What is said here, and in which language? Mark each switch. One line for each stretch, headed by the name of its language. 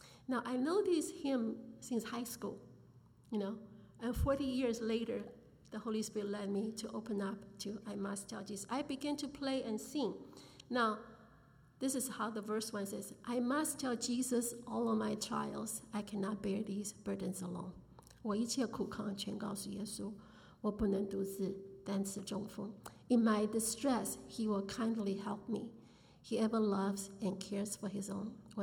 English: Now, I know this hymn since high school, you know. And 40 years later, the Holy Spirit led me to open up to "I Must Tell Jesus." I began to play and sing. Now, this is how the verse one says, "I must tell Jesus all of my trials. I cannot bear these burdens alone.
Chinese: 我一切苦抗全告诉耶稣,我不能独自担此重负.
English: In my distress, he will kindly help me. He ever loves and cares for his own.